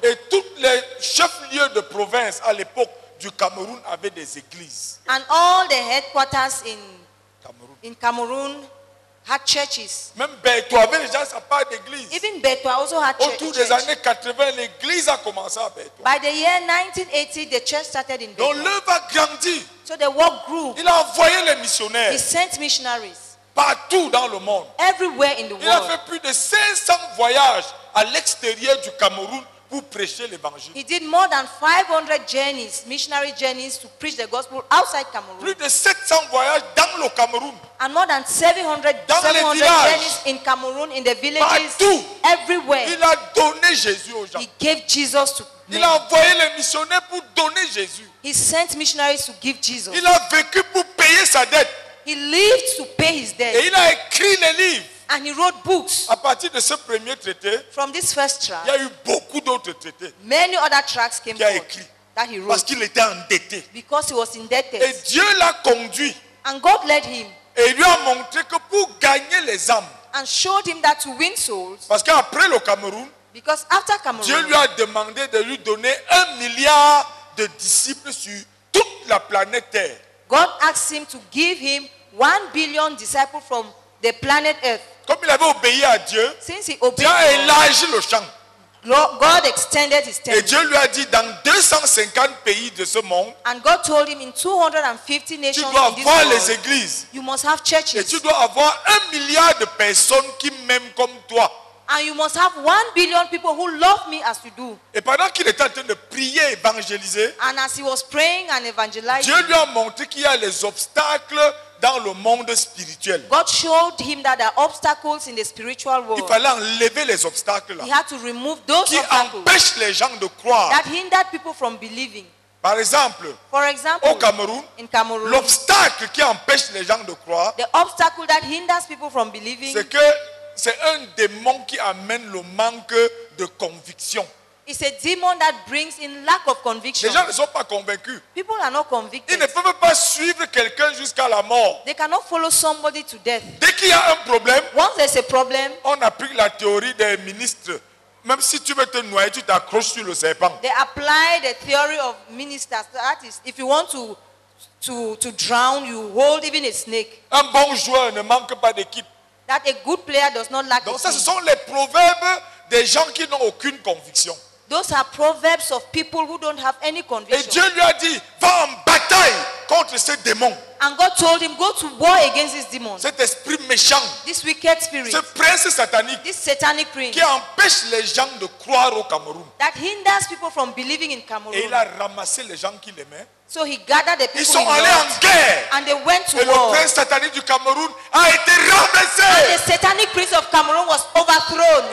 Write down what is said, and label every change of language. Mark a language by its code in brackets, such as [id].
[fr] Et tous les chefs-lieux de province à l'époque. Du Cameroun avait des églises. [en] And all the headquarters in Cameroun. In Cameroon had churches. [fr] Même Bétois avait déjà sa part d'église. [en] Even Bétois also had church. [fr] Autour des années 80, l'église a commencé à Bétois. [en] By the year 1980, the church started in Bétois. [fr] Donc l'œuvre a grandi. [en] So the work grew. [fr] Il a envoyé les missionnaires. [en] He sent missionaries. [fr] Partout dans le monde. [en] Everywhere in the world. [fr] Il a fait plus de 500 voyages à l'extérieur du Cameroun. Pour prêcher l'évangile. [en] He did more than 500 journeys, missionary journeys, to preach the gospel outside Cameroon. [fr] Plus de 700 voyages dans le Cameroun. [en] And more than 700 journeys in Cameroon, in the villages, [fr] partout, [en] everywhere. [fr] Il a donné Jésus aux gens. [en] He gave Jesus to men. [fr] Il a envoyé les missionnaires pour donner Jésus. [en] He sent missionaries to give Jesus. [fr] Il a vécu pour payer sa dette. [en] He lived to pay his debt. [fr] Et il a écrit les livres. [en] And he wrote books. [fr] À partir de ce premier traité, [en] from this first tract, [fr] il y a eu beaucoup d'autres traités. [en] Many other tracts came forth. [fr] Qui a écrit? [en] That he wrote. [fr] Parce qu'il était endetté. [en] Because he was indebted. [fr] Et Dieu l'a conduit. [en] And God led him. [fr] Et lui a montré que pour gagner les âmes. [en] And showed him that to win souls. [fr] Parce qu'après le Cameroun. [en] Because after Cameroun. [fr] Dieu lui a demandé de lui donner 1 milliard de disciples sur toute la planète Terre. [en] God asked him to give him 1 billion disciples from the planet Earth. [fr] Comme il avait obéi à Dieu, [en] since he obeyed, [fr] Dieu a élargi le champ. [en] God extended his tent. [fr] Et Dieu lui a dit dans 250 pays de ce monde, [en] and God told him in 250 nations, [fr] tu dois avoir [en] world, [fr] les églises. [en] You must have churches. [fr] Et tu dois avoir 1 milliard de personnes qui m'aiment comme toi. [en] And you must have 1 billion people who love me as you do. [fr] Et pendant qu'il était en train de prier, évangéliser, [en] and as he was praying and evangelizing, [fr] Dieu lui a montré qu'il y a les obstacles dans le monde spirituel. [en] God showed him that there are obstacles in the spiritual world. [fr] Il fallait enlever les obstacles là. [en] He had to remove those [fr] qui [en] obstacles [fr] empêchent les gens de croire. [en] That hindered people from believing. [fr] Par exemple, [en] for example, [fr] au Cameroun, [en] in Cameroon, [fr] l'obstacle qui empêche les gens de croire, [en] the obstacle that hinders people from believing, [fr] c'est que c'est un démon qui amène le manque de conviction. [en] It's a demon that brings in lack of conviction. [fr] Les gens ne sont pas convaincus. [en] People are not convicted. [fr] Ils ne peuvent pas suivre quelqu'un jusqu'à la mort. [en] They cannot follow somebody to death. [fr] Dès qu'il y a un problème, [en] once there's a problem, [fr] on applique la théorie des ministres. Même si tu veux te noyer, tu t'accroches sur le serpent. [en] They apply the theory of ministers. That is, if you want to to drown, you hold even a snake. [fr] Un bon joueur ne manque pas d'équipe. [en] That a good player does not lack. [fr] Donc ça, ce sont les proverbes des gens qui n'ont aucune conviction. [en] Those are proverbs of people who don't have any conviction. [fr] Et Dieu lui a dit, va en bataille contre ce démon. [en] And God told him, go to war against this demon. [fr] Cet esprit méchant. [en] This wicked spirit. [fr] Ce prince satanique. [en] This satanic prince. [fr] Qui empêche les gens de croire au Cameroun. [en] That hinders people from believing in Cameroon. [fr] Et il a ramassé les gens qu'il aimait. [en] So he gathered the people. [fr] Ils sont allés en guerre. [en] And they went to war. [fr] Et le prince satanique du Cameroun a été ramassé. [en] And the satanic prince of Cameroun was overthrown.